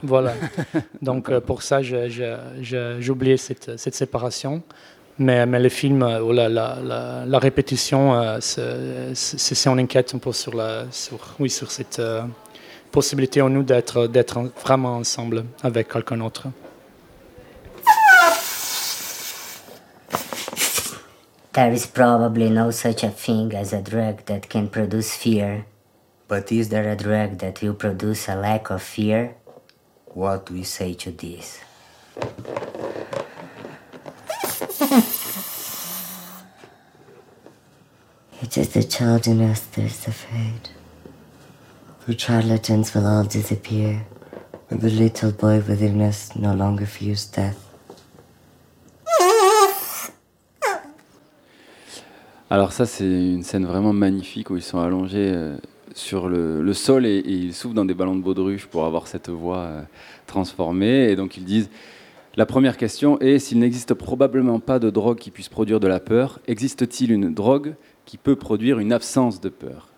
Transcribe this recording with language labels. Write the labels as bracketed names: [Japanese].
[French] Voilà. Donc pour ça, j'ai oublié cette séparation. Mais le film, la répétition, c'est on inquiète un peu sur cette possibilité en nous d'être vraiment ensemble avec quelqu'un d'autre. [English] There is probably no such a thing as a drug that can produce fear. But is there a drug that will produce a lack of fear? What do you say to this? It is the child in us that's afraid. The charlatans will all disappear, and the little boy within us no longer fears death. [French] Alors ça, c'est une scène vraiment magnifique où ils sont allongés sur le sol et ils soufflent dans des ballons de baudruche pour avoir cette voix transformée. Et donc ils disent, la première question est, s'il n'existe probablement pas de drogue qui puisse produire de la peur, existe-t-il une drogue qui peut produire une absence de peur?